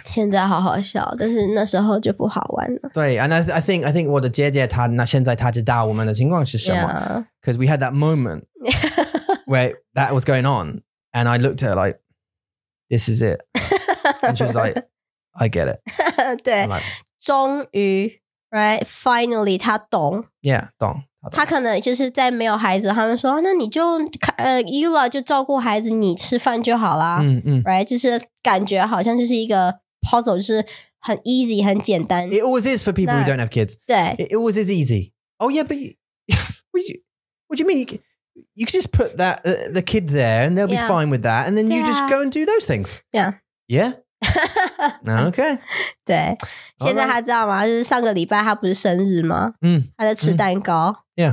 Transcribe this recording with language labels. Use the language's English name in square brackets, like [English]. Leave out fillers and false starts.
[Chinese] 现在好好笑，但是那时候就不好玩了。 [English] 对 ，and I think [Chinese] 我的姐姐她那现在她知道我们的情况是什么 [English] ，because we had that moment where that was going on, and I looked at her like this is it, and she was like, I get it. [Chinese] 对，终于 [English] right finally [Chinese] 她懂， [English] yeah [Chinese] 懂。他可能就是在没有孩子他们说、啊、那你就Eula 就照顾孩子你吃饭就好啦。嗯嗯 ,right, 就是感觉好像就是一个 puzzle, 就是很 easy, 很简单。 [English] It always is for people who don't have kids. [Chinese] 对。 [English] It always is easy. Oh yeah, but what do you mean? You can just put that, the kid there and they'll be fine with that and then you just go and do those things. Yeah. Yeah? okay. [Chinese] 对。现在他知道吗、 [English] right. [Chinese] 就是上个礼拜他不是生日吗、他在吃蛋糕。